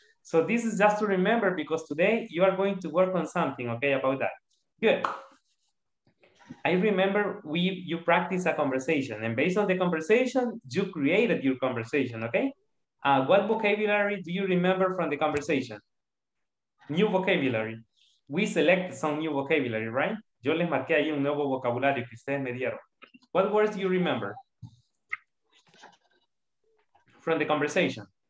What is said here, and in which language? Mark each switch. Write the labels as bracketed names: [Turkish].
[English] So this is just to remember because today you are going to work on something, okay, about that. Good. I remember you practiced a conversation and based on the conversation, you created your conversation, okay? What vocabulary do you remember from the conversation? New vocabulary. We selected some new vocabulary, right? [Spanish] Yo les marqué ahí un nuevo vocabulario que ustedes me dieron. [English] What words do you remember from the conversation?